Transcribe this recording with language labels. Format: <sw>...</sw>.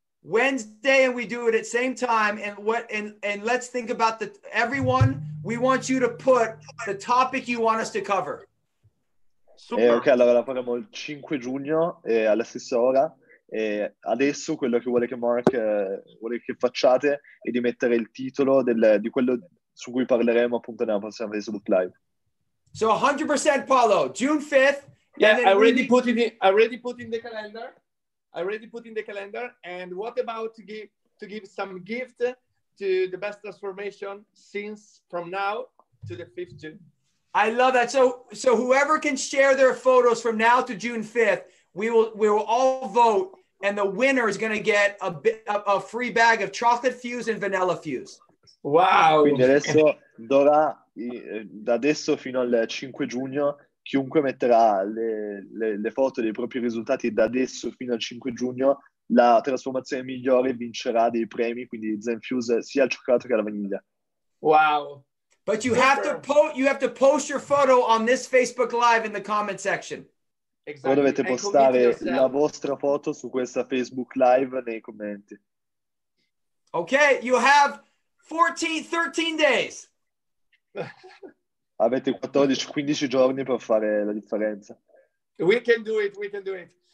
<en>Wednesday, and we do it at same time. And let's think about everyone, we want you to put the topic you want us to cover. Super.</en> <it>Ok, allora la faremo il 5 giugno alla stessa ora. E adesso quello che vuole che Mark vuole che facciate è di mettere il titolo di quello su cui parleremo appunto nella prossima Facebook Live.</it> <en>So 100% Paolo, June 5th. Yeah, I already put in the calendar. And what about to give some gift to the best transformation since from now to the 5th June? I love that. So whoever can share their photos from now to June 5th, we will all vote, and the winner is going to get a free bag of chocolate fuse and vanilla fuse. Wow!</en> <it>Quindi adesso dovrà, da adesso fino al 5 giugno, chiunque metterà le foto dei propri risultati da adesso fino al 5 giugno, la trasformazione migliore vincerà dei premi, quindi Zen Fuse, sia al cioccolato che alla vaniglia. Wow!</it> <en>But you have to post your photo on this Facebook Live in the comment section. Exactly.</en> <it>Voi dovete postare la vostra foto su questa Facebook Live nei commenti.</it> <en>Okay, you have 13 days.</en> <it>Avete 14-15 giorni per fare la differenza.</it> <en>We can do it, we can do it.</en>